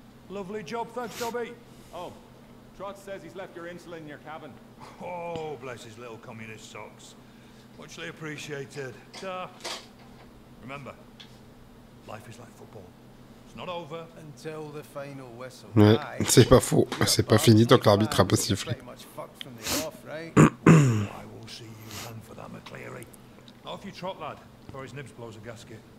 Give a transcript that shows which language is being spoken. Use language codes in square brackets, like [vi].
[en] Lovely job, thanks, Dobby. Oh, Trotz says he's left your insulin in your cabin. Oh, bless his little communist socks. Muchly appreciated. Remember, life is like football. It's not over until the final whistle. [fr] Ouais, c'est pas faux. C'est pas fini tant que l'arbitre a pas sifflé. [en] I will see you then for that, McCleary. Off you trot, lad, before his nibs blows a gasket.